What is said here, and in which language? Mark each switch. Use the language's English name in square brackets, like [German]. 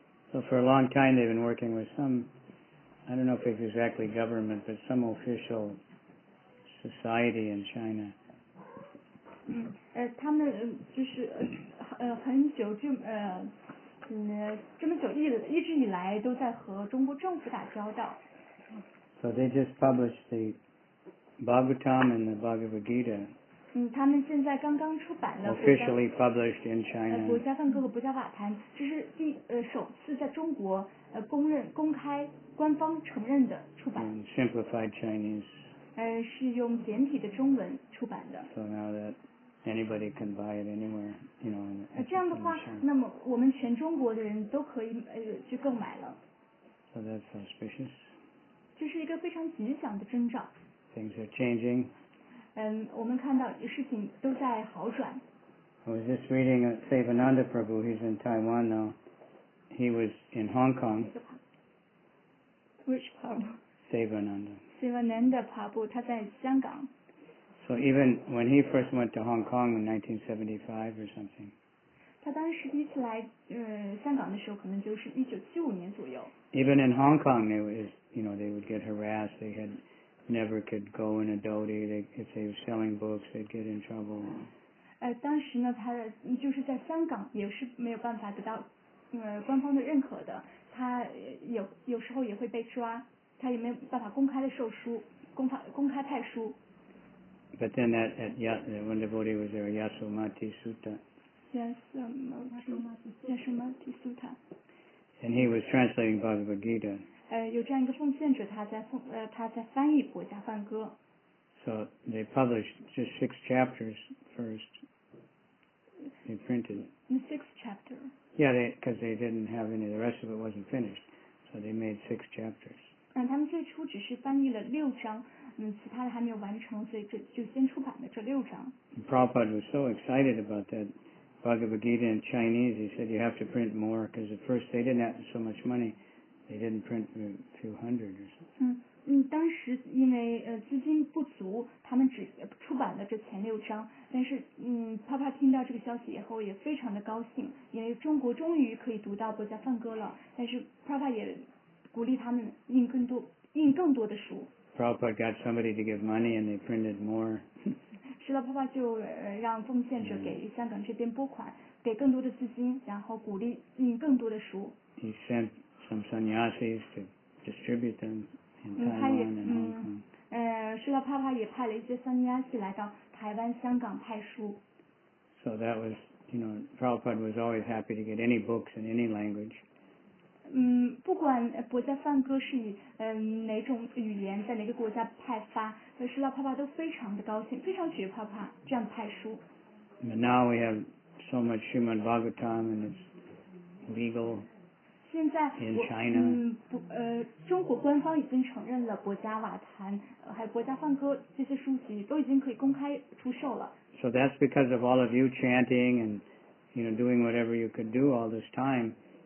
[English] So for a long time they've been working with some, I don't know if it's exactly government, but some official society in China. [Chinese] 他们就是很久就这么久一直以来都在和中国政府打交道。 [English] So they just published the Bhagavatam and the Bhagavad Gita. [Chinese] 他们现在刚刚出版了。 [English] Officially published in China. [Chinese] 薄伽梵歌和薄伽瓦盘，这是第首次在中国公认、公开、官方承认的出版。 [English] And simplified Chinese. [Chinese] 是用简体的中文出版的。 [English] So now that. Anybody can buy it anywhere, you know. [Chinese] 这样的话，那么我们全中国的人都可以去购买了。 [English] So that's auspicious. [Chinese] 这是一个非常吉祥的征兆。 [English] Things are changing. [Chinese] 我们看到事情都在好转。 [English] I was just reading Sevananda Prabhu. He's in Taiwan now. He was in Hong Kong. Which Prabhu? Sevananda. [Chinese] Sevananda Prabhu. 他在香港。 [English] So even when he first went to Hong Kong in 1975 or something, [Chinese] 他当时第一次来香港的时候，可能就是1975年左右。 [English] Even in Hong Kong, they was, you know, they would get harassed. They had never could go in a dhoti. If they were selling books, they'd get in trouble. [Chinese] 当时呢，他就是在香港也是没有办法得到官方的认可的。他有时候也会被抓，他也没有办法公开的售书，公开派书。 [English] But then that at when the devotee was there, Yasomati Sutta. Yasomati Sutta. And he was translating Bhagavad Gita. [Chinese] 有这样一个奉献者，他在翻译薄伽梵歌。 [English] So they published just 6 chapters first. They printed. The 6th chapter. Yeah, because they didn't have any. The rest of it wasn't finished, so they made 6 chapters. [Chinese] 他们最初只是翻译了六章。其他的还没有完成，所以就先出版了这六章。 [English] Prabhupada was so excited about that Bhagavad Gita in Chinese. He said you have to print more because at first they didn't have so much money. They didn't print a few hundred or something. [Chinese] 当时因为资金不足，他们只出版了这前六章。但是Prabhupada听到这个消息以后也非常的高兴，因为中国终于可以读到薄伽梵歌了。但是Prabhupada也鼓励他们印更多的书。 [English] Prabhupada got somebody to give money and they printed more. [Chinese] 是的，爸爸就让奉献者给香港这边拨款，给更多的资金，然后鼓励印更多的书。 [English] He sent some sannyasis to distribute them in Taiwan and Hong Kong. [Chinese] 是的，爸爸也派了一些sannyasi来到台湾、香港派书。 [English] So that was, you know, Prabhupada was always happy to get any books in any language. [Chinese] 不管薄伽梵歌是以哪种语言在哪个国家派发，释迦帕帕都非常的高兴，非常喜欢帕帕这样派书。 [English] And now we have so much Srimad Bhagavatam and it's legal. [Chinese] 现在 [English] in China. [Chinese] 中国官方已经承认了薄伽瓦盘，还有薄伽梵歌这些书籍都已经可以公开出售了。 [English] So that's because of all of you chanting and you know doing whatever you could do all this time.